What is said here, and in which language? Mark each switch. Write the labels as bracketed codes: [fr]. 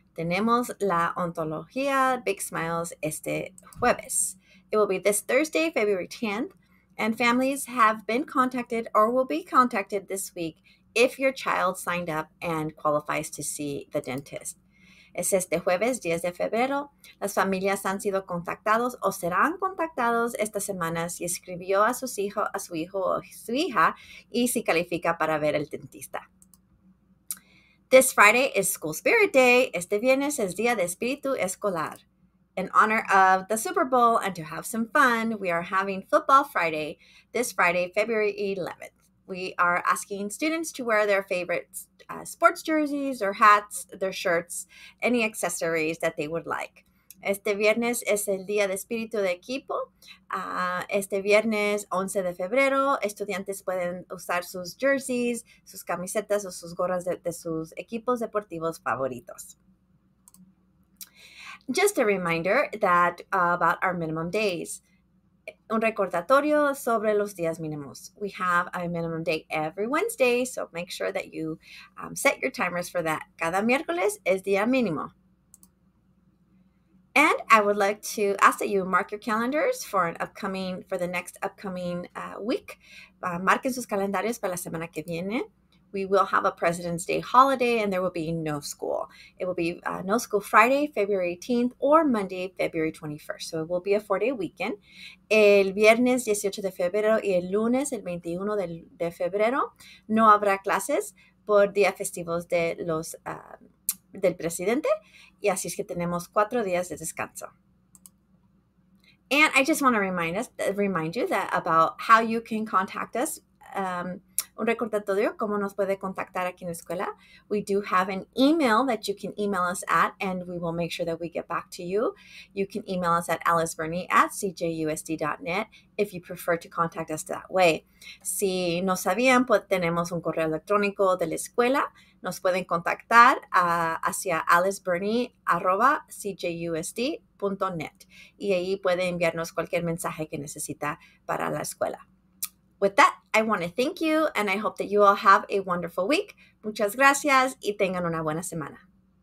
[es] Tenemos la ontología Big Smiles este jueves. [en] It will be this Thursday, February 10th, and families have been contacted or will be contacted this week if your child signed up and qualifies to see the dentist. [es] Es este jueves, 10 de febrero. Las familias han sido contactados o serán contactados esta semana si escribió a su hijo o su hija y si califica para ver el dentista. [en] This Friday is School Spirit Day. [es] Este viernes es Día de Espíritu Escolar. [en] In honor of the Super Bowl and to have some fun, we are having Football Friday this Friday, February 11th. We are asking students to wear their favorite sports jerseys or hats, their shirts, any accessories that they would like. [es] Este viernes es el día de espíritu de equipo. Este viernes 11 de febrero, estudiantes pueden usar sus jerseys, sus camisetas o sus gorras de sus equipos deportivos favoritos. [en] Just a reminder that about our minimum days. [es] Un recordatorio sobre los días mínimos. [en] We have a minimum day every Wednesday, so make sure that you set your timers for that. [es] Cada miércoles es día mínimo. [en] And I would like to ask that you mark your calendars for the next upcoming week. [es] Marquen sus calendarios para la semana que viene. [en] We will have a President's Day holiday and there will be no school. It will be no school Friday, February 18th or Monday, February 21st. So it will be a 4-day weekend. [es] El viernes 18 de febrero y el lunes el 21 de febrero no habrá clases por día festivos de los del presidente. Y así es que tenemos 4 días de descanso. [en] And I just want to remind you that about how you can contact us. [es] Un recordatorio, ¿cómo nos puede contactar aquí en la escuela? [en] We do have an email that you can email us at, and we will make sure that we get back to you. You can email us at aliceburney@cjusd.net if you prefer to contact us that way. [es] Si no sabían, pues tenemos un correo electrónico de la escuela. Nos pueden contactar hacia aliceburney@cjusd.net y ahí puede enviarnos cualquier mensaje que necesita para la escuela. [en] With that, I want to thank you, and I hope that you all have a wonderful week. [es] Muchas gracias, y tengan una buena semana.